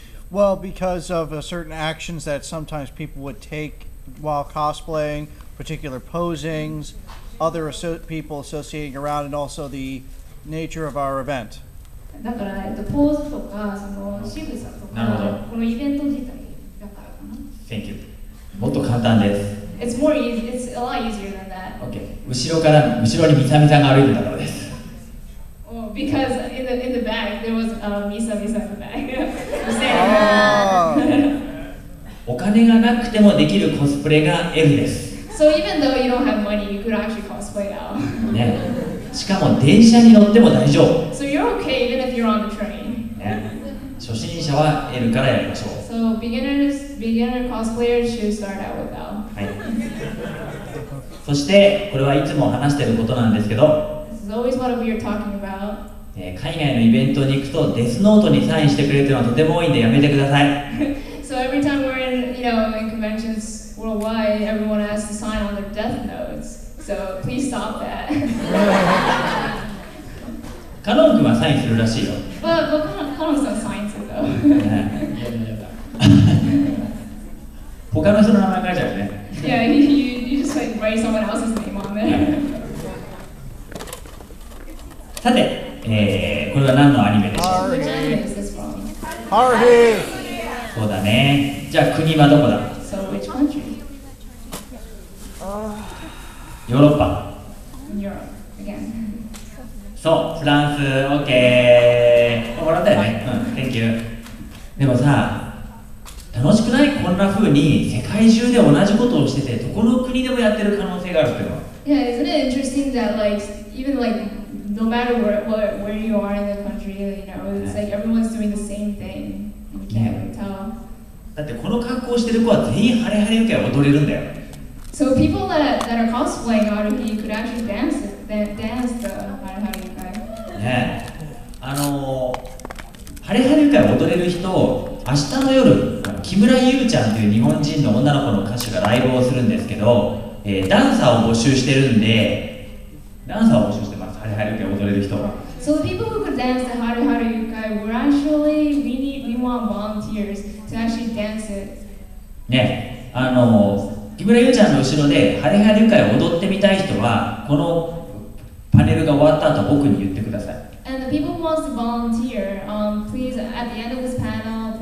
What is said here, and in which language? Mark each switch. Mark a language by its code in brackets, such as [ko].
[en] Well, because of certain actions that sometimes people would take while cosplaying, particular posings, other people associating around, and also the nature of our event. [ja] だから、ポーズとか、その仕草とか、このイベント自体だからかな。 [en] Thank you. [ja] もっと簡単です。 [en] It's more easy, it's a lot easier than that. Okay. [ja] 後ろにミサミさんが歩いてたからです。 [en] Oh, because in the back, there was ミサミさんの back. <Same. Wow. 笑 [ja] > お金がなくてもできるコスプレが L です。 [en] So even though you don't have money, you could actually cosplay now. [ja] ね。しかも電車に乗っても大丈夫。 [en] So you're okay even if you're on the train. [ja] ね。初心者は L からやりましょう。 [en] So beginner cosplayers should start out with L. [ja] はい。そしてこれはいつも話していることなんですけど。 [en] This is always what we are talking about. [ja] 海外のイベントに行くとデスノートにサインしてくれるのはとても多いんでやめてください。 [en] So every time we're in conventions worldwide, everyone has to sign on their death notes. So, please stop that. [ja] カノン君はサインするらしいよ。 But カノンさんサインするよ。他の人の名前書いちゃうね。 [en] Yeah, you just like write someone else's name on there. [ja] さて、これは何のアニメでしょう。 [en] Which anime is this from? Haruhi! [ja] そうだね。じゃあ国はどこだ。 [en] So, which country? [ja] ヨーロッパ。 [en] Europe, again. [ja] そう、フランス、OK。もらったよね。うん、 [en] Thank you。 [ja] でもさ、楽しくない？こんな風に世界中で同じことをしてて、どこの国でもやってる可能性があるっていうのは。 [en] Yeah, isn't it interesting that, like, even like, no matter where you are in the country, you know, it's like everyone's doing the same thing. You can't tell. [ja] だってこの格好してる子は全員ハレハレ受けは踊れるんだよ。 [en] So people that are cosplaying out of you could actually dance the ハレハレ受け。 [ja] ねえ、ハレハレ受けは踊れる人を明日の夜、木村優ちゃんっていう日本人の女の子の歌手がライブをするんですけど、ダンサーを募集してるんで、ダンサーを募集してます。ハレハレ受け踊れる人が。 [en] So people who could dance the ハレハレ受け were actually we want volunteers to actually dance it。 [ja] ね、木村優ちゃんの後ろでハレハレ受け踊ってみたい人はこのパネルが終わった後僕に言ってください。 [en] And the people who wants to volunteer, please at the end of this panel.